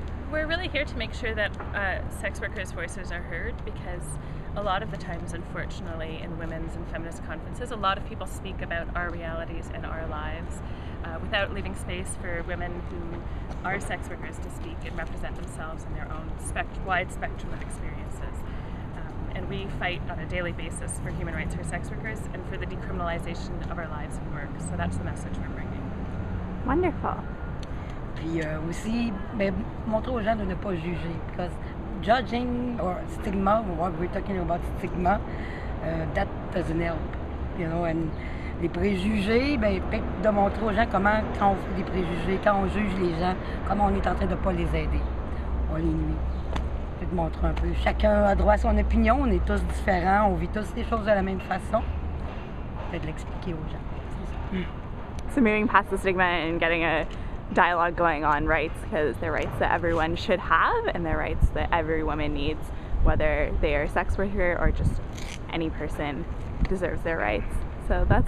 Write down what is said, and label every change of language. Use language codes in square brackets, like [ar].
[en] We're really here to make sure that sex workers' voices are heard, because a lot of the times, unfortunately, in women's and feminist conferences, a lot of people speak about our realities and our lives without leaving space for women who are sex workers to speak and represent themselves and their own wide spectrum of experiences. And we fight on a daily basis for human rights for sex workers and for the decriminalization of our lives and work. So that's the message we're bringing. Wonderful. [fr] Puis aussi, ben, montrer aux gens de ne pas juger. [en] Because judging or stigma, what we're talking about stigma, that doesn't help. You know, and [fr] les préjugés, ben, de montrer aux gens comment, quand on fait des préjugés, quand on juge les gens, comment on est en train de ne pas les aider. On les nuit. Puis de montrer un peu. Chacun a droit à son opinion, on est tous différents, on vit tous les choses de la même façon. Peut-être de l'expliquer aux gens. [en] So moving past the stigma and getting a dialogue going on rights, because they're rights that everyone should have and they're rights that every woman needs, whether they are a sex worker or just any person deserves their rights. So that's